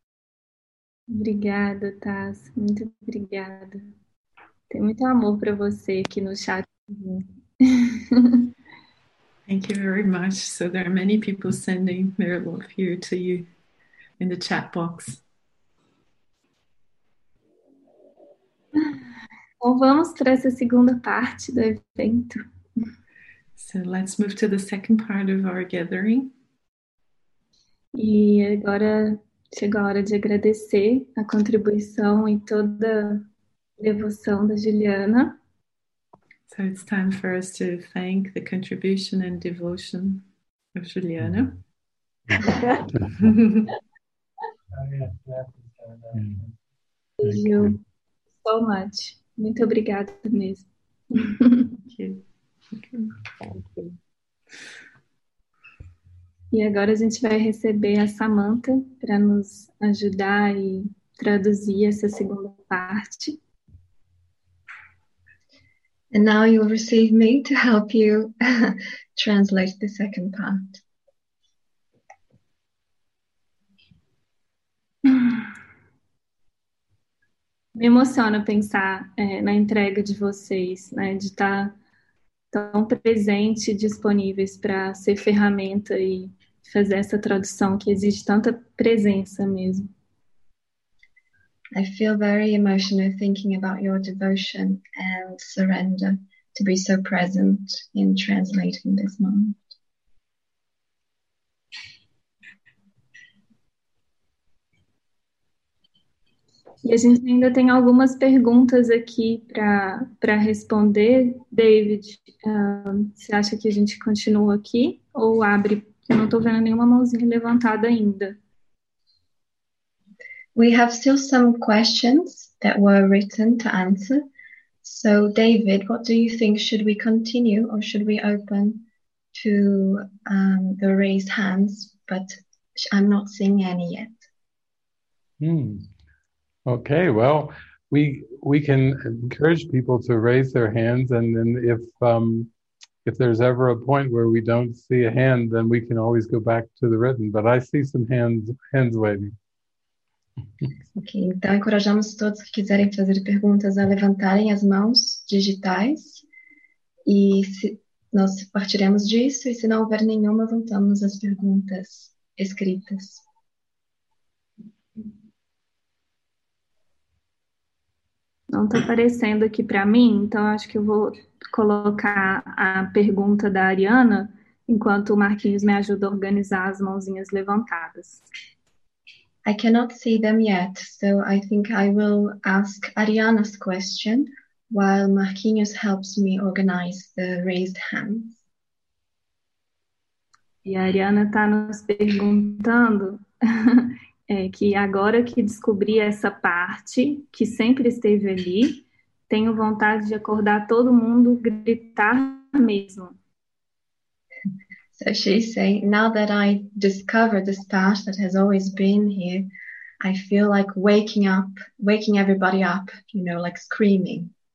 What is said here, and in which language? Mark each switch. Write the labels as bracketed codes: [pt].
[pt] Obrigada. Obrigada, Tass. Muito obrigada. Tem muito amor para você aqui no chat. [en] Thank you very much. So there are many people sending their love here to you in the chat box. [pt] Bom, vamos para essa segunda parte do evento. [en] So let's move to the second part of our gathering. [pt] E agora chegou a hora de agradecer a contribuição e toda a devoção da Juliana. [en] So it's time for us to thank the contribution and devotion of Juliana. Thank you so much. [pt] Muito obrigada mesmo. [en] Thank you. Thank you. [pt] E agora a gente vai receber a Samantha para nos ajudar e traduzir essa segunda parte. [en] And now you'll receive me to help you translate the second part. [pt] Me emociona pensar na entrega de vocês, né, de estar tão presente e disponíveis para ser ferramenta e fazer essa tradução que exige tanta presença mesmo. [en] I feel very emotional thinking about your devotion and surrender to be so present in translating this moment. [pt] E a gente ainda tem algumas perguntas aqui para responder. David, você acha que a gente continua aqui ou abre? Eu não estou vendo nenhuma mãozinha levantada ainda. [en] We have still some questions that were written to answer. So, David, what do you think? Should we continue or should we open to the raised hands? But I'm not seeing any yet. Okay, well, we can encourage people to raise their hands, and then if there's ever a point where we don't see a hand, then we can always go back to the written. But I see some hands waving. [pt] Ok, então encorajamos todos que quiserem fazer perguntas a levantarem as mãos digitais e se, nós partiremos disso e se não houver nenhuma, voltamos às perguntas escritas. Não está aparecendo aqui para mim, então acho que eu vou colocar a pergunta da Ariana enquanto o Marquinhos me ajuda a organizar as mãozinhas levantadas. [en] I cannot see them yet, so I think I will ask Ariana's question while Marquinhos helps me organize the raised hands. [pt] E a Ariana está nos perguntando que agora que descobri essa parte, que sempre esteve ali, tenho vontade de acordar todo mundo, gritar mesmo. [en] So she's saying, now that I discovered this path that has always been here, I feel like waking everybody up, you know, like screaming.